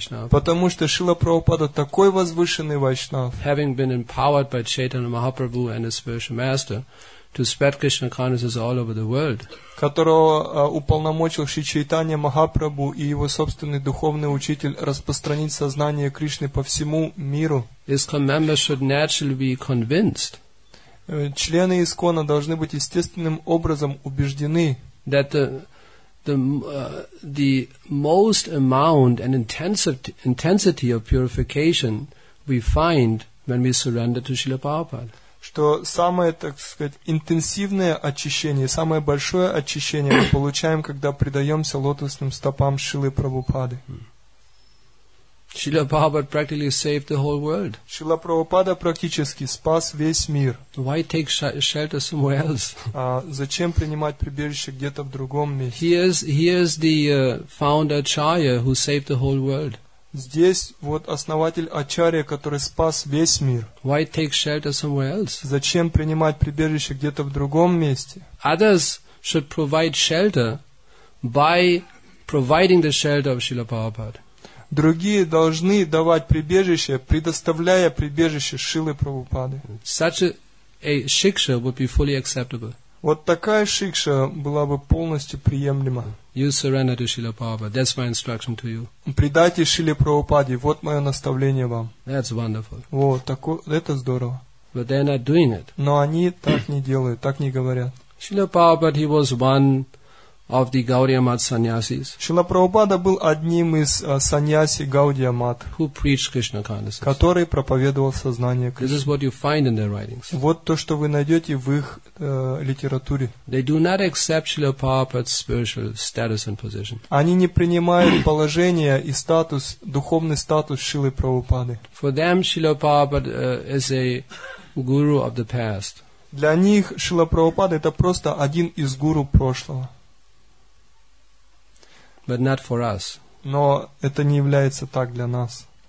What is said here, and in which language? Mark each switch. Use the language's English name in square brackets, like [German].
[Russian] Потому что Шрила Прабхупада такой возвышенный вайшнав. [English] Having been empowered by Chaitanya Mahaprabhu and his spiritual master to spread Krishna consciousness all over the world, [Russian] которого уполномочил Шри Чайтанья Махапрабху и его собственный духовный учитель распространить сознание Кришны по всему миру. [English] ISKCON members should naturally be convinced. [Russian] Члены ИСКОНа должны быть естественным образом убеждены, [English] that the most amount and intensity of purification we find when we surrender to Srila Prabhupada. [Russian] Что самое, так сказать, интенсивное очищение, самое большое очищение мы получаем, когда предаемся лотосным стопам Шрилы Прабхупады. [English] Шрила Прабхупада [Russian] практически [English] saved the whole world. [Russian] Шрила Прабхупада практически спас весь мир. [English] Why take shelter somewhere else? [Russian] А зачем принимать прибежище где-то в другом месте? [English] He is the founder Acharya who saved the whole world. [Russian] Здесь вот основатель Ачарья, который спас весь мир. [English] Why take shelter somewhere else? [Russian] Зачем принимать прибежище где-то в другом месте? [English] Others should provide shelter by providing the shelter of Srila Prabhupada. [Russian] Другие должны давать прибежище, предоставляя прибежище Шрилы Прабхупады. [English] Such a shiksha would be fully acceptable. [Russian] Вот такая шикша была бы полностью приемлема. [English] You surrender to Srila Prabhupada. That's my instruction to you. [Russian] Предайте Шриле Прабхупаде. Вот мое наставление вам. [English] That's wonderful. [Russian] Вот, это здорово. [English] But they're not doing it. [Russian] Но они так не делают, так не говорят. [English] Srila Prabhupada, he was one of the Gaudiya Math sannyasis. [Russian] Srila Prabhupada был одним из саньяси Gaudiya Math, [English] who preached Krishna consciousness. [Russian] Который проповедовал сознание Кришны. [English] This is what you find in their writings. [Russian] Вот то, что вы найдете в их литературе. [English] They do not accept Srila Prabhupada's spiritual status and position. [Russian] Они не принимают положение и статус, духовный статус Шрилы Прабхупады. [English] For them, Srila Prabhupada is a guru of the past. [Russian] Для них Шрила Прабхупада это просто один из гуру прошлого. [English] But not for us. [Russian] Но это не является так для нас.